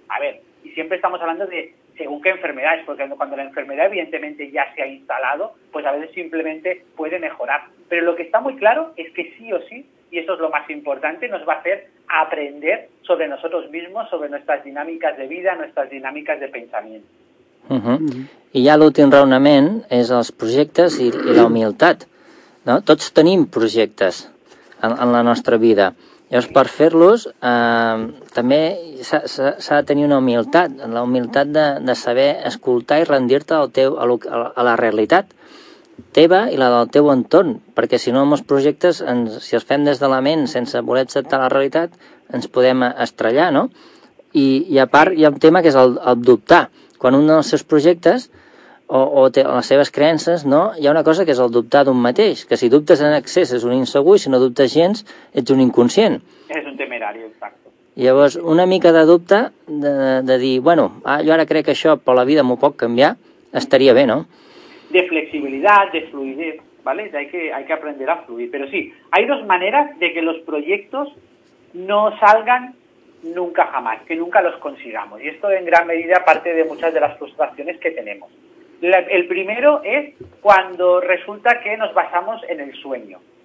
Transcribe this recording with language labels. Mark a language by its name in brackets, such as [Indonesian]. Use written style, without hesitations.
[Spanish] A ver, y siempre estamos hablando de según qué enfermedades, porque cuando la enfermedad evidentemente ya se ha instalado, pues a veces simplemente puede mejorar. Pero lo que está muy claro es que sí o sí, y eso es lo más importante, nos va a hacer aprender sobre nosotros mismos, sobre nuestras dinámicas de vida, nuestras dinámicas de pensamiento. [Catalan] I ja l'últim raonament és els projectes i la humilitat. No? Tots tenim projectes en la nostra vida. Llavors, per fer-los, també s'ha de tenir una humilitat, la humilitat de saber escoltar i rendir-te a la realitat teva i la del teu entorn, perquè si no, amb els projectes, si els fem des de la ment sense voler acceptar la realitat, ens podem estrellar, no? I a part, hi ha un tema que és el dubtar. Quan un dels seus projectes o té les seves creences, no? Hi ha una cosa que és el dubtar d'un mateix, que si dubtes en excés és un insegur, i si no dubtes gens ets un inconscient. És un temerari, exacte. Llavors, una mica de dubte, de dir, bueno, jo ara crec que això per la vida m'ho pot canviar, estaria bé, no? [Spanish] De flexibilitat, de fluidez, ¿vale? Hay que aprender a fluir. Però sí, hay dos maneras de que los proyectos no salgan nunca jamás, que nunca los consigamos. Y esto en gran medida parte de muchas de las frustraciones que tenemos. El primero es cuando resulta que nos basamos en el sueño.